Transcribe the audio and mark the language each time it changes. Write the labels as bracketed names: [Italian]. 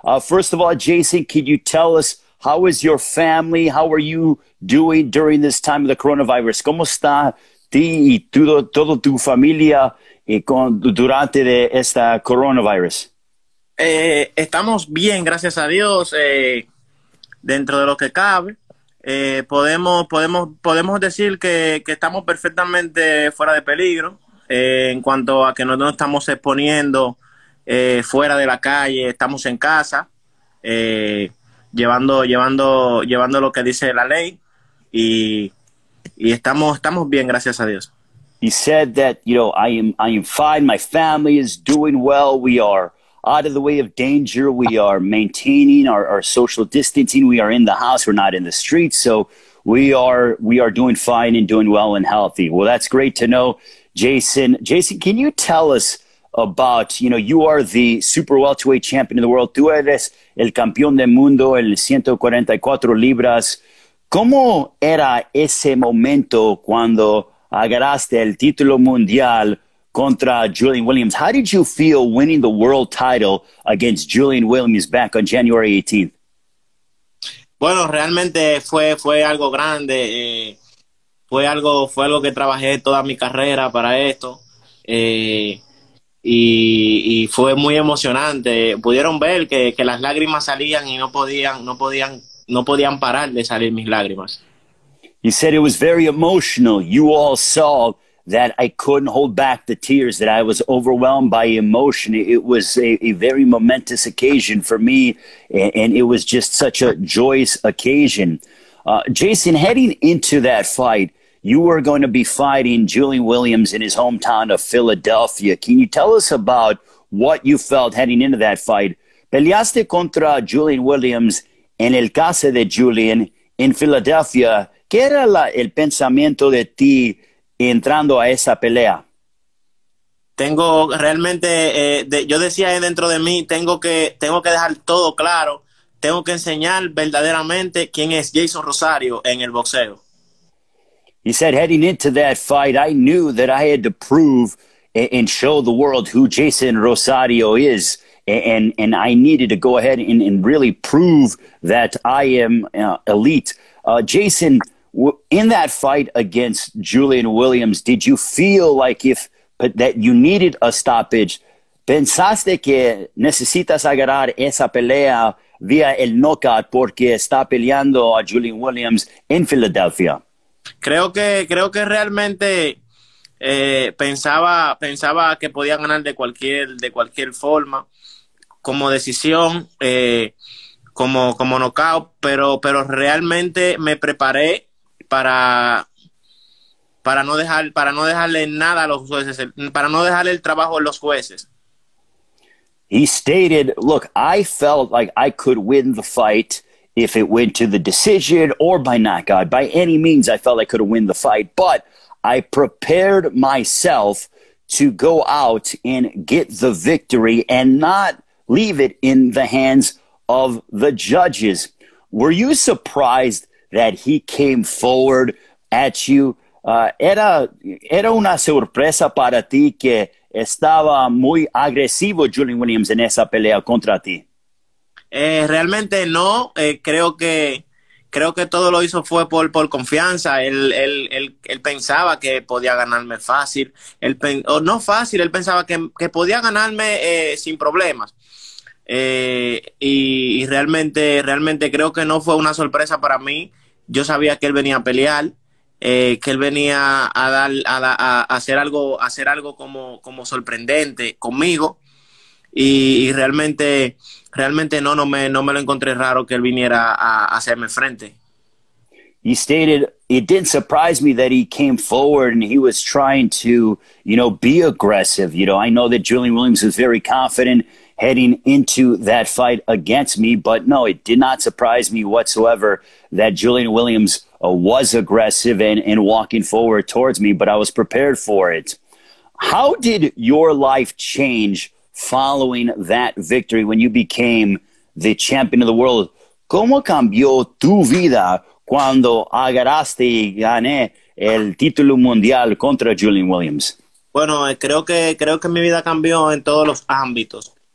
[English] First of all, Jason, can you tell us how is your family? How are you doing during this time of the coronavirus? [Spanish] ¿Cómo está ti y todo tu familia y con durante de esta coronavirus? Estamos bien, gracias a Dios, dentro de lo que cabe. Podemos decir que estamos perfectamente fuera de peligro, en cuanto a que no nos estamos exponiendo fuera de la calle. Estamos en casa, llevando lo que dice la ley, y estamos bien, gracias a Dios. [English] He said that, I am fine. My family is doing well. We are out of the way of danger. We are maintaining our social distancing. We are in the house. We're not in the streets. So we are doing fine and doing well and healthy. Well, that's great to know, Jason. Jason, can you tell us about, you are the super welterweight champion of the world. [Spanish] Tú eres el campeón del mundo, el 144 libras. ¿Cómo era ese momento cuando agarraste el título mundial contra Julian Williams? [English] How did you feel winning the world title against Julian Williams back on January 18th? [Spanish] Bueno, realmente fue algo grande, fue algo que trabajé toda mi carrera para esto, y fue muy emocionante. Pudieron ver que las lágrimas salían y no podían parar de salir mis lágrimas. [English] He said it was very emotional. You all saw that I couldn't hold back the tears, that I was overwhelmed by emotion. It was a very momentous occasion for me, and it was just such a joyous occasion. Jason, heading into that fight, you were going to be fighting Julian Williams in his hometown of Philadelphia. Can you tell us about what you felt heading into that fight? [Spanish] Peleaste contra Julian Williams en el casa de Julian [English] in Philadelphia. [Spanish] ¿Qué era el pensamiento de ti entrando a esa pelea? Tengo realmente, yo decía ahí dentro de mí, tengo que dejar todo claro, tengo que enseñar verdaderamente quién es Jason Rosario en el boxeo. [English] He said, heading into that fight, I knew that I had to prove and show the world who Jason Rosario is. And I needed to go ahead and really prove that I am elite. Jason, in that fight against Julian Williams, did you feel like that you needed a stoppage? [Spanish] ¿Pensaste que necesitas agarrar esa pelea vía el knockout porque está peleando a Julian Williams en Filadelfia? Creo que realmente pensaba que podía ganar de cualquier forma, como decisión, como knockout, pero realmente me preparé para no dejarle nada a los jueces, para no dejarle el trabajo a los jueces. [English] He stated, look, I felt like I could win the fight if it went to the decision or by knockout. By any means, I felt I could win the fight, but I prepared myself to go out and get the victory and not leave it in the hands of the judges. Were you surprised that he came forward at you? [Spanish] Era una sorpresa para ti que estaba muy agresivo Julian Williams en esa pelea contra ti. Realmente no, creo que todo lo hizo fue por confianza. Él pensaba que podía ganarme fácil, no fácil, él pensaba que podía ganarme sin problemas. Y realmente creo que no fue una sorpresa para mí. Yo sabía que él venía a pelear, que él venía a dar a hacer algo como sorprendente conmigo. Y realmente no me lo encontré raro que él viniera a hacerme frente. [English] He stated, it didn't surprise me that he came forward and he was trying to, be aggressive. I know that Julian Williams was very confident heading into that fight against me, but no, it did not surprise me whatsoever that Julian Williams was aggressive and walking forward towards me, but I was prepared for it. How did your life change following that victory when you became the champion of the world? [Spanish] ¿Cómo cambió tu vida cuando agarraste y gané el título mundial contra Julian Williams? Bueno, creo que mi vida cambió en todos los ámbitos.